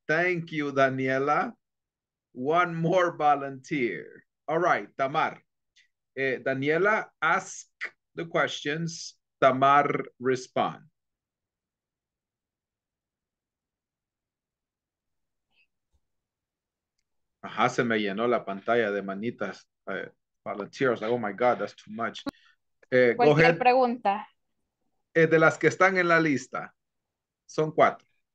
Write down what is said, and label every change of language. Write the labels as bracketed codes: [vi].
[en] Thank you, Daniela. One more volunteer. All right, Tamar. Daniela, ask the questions. Tamar, respond. [es] Ajá, se me llenó la pantalla de manitas. [en] Volunteers, like, oh my God, that's too much. [es] Cualquier pregunta. De las que están en la lista, son cuatro.